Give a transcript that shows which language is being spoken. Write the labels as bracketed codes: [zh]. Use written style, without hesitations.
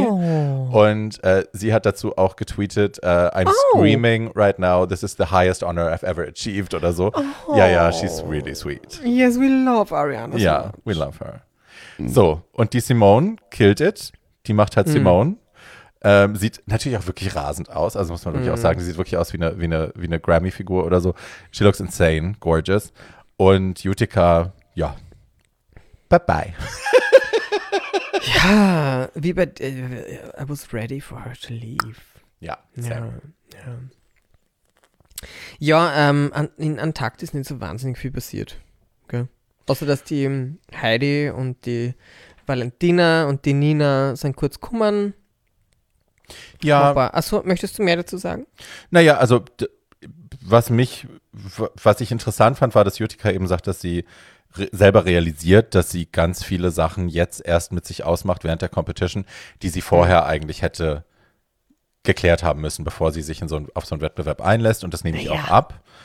[de] Und sie hat dazu auch getweetet, [en] I'm screaming right now, this is the highest honor I've ever achieved [de] oder so. [en] Ja, ja, she's really sweet. Yes, we love Ariana. [de] Ja, [en] so we love her. [de] So, und die Simone [en] killed it. [de] Die macht halt Simone. Sieht natürlich auch wirklich rasend aus, also muss man wirklich auch sagen, sie sieht wirklich aus wie eine Grammy-Figur oder so. [en] She looks insane, gorgeous. [de] Und Utica, ja, bye-bye. Ja, wie bei, [en] I was ready for her to leave. [de] Ja, same. Ja, ja. Ja, in Antarktis ist nicht so wahnsinnig viel passiert. Gell? Außer, dass die Heidi und die Valentina und die Nina sind kurz kummern. Ja. Achso, möchtest du mehr dazu sagen? Naja, also was ich interessant fand, war, dass Jutika eben sagt, dass sie selber realisiert, dass sie ganz viele Sachen jetzt erst mit sich ausmacht während der Competition, die sie vorher eigentlich hätte geklärt haben müssen, bevor sie sich auf so einen Wettbewerb einlässt, und das nehme ich auch ab.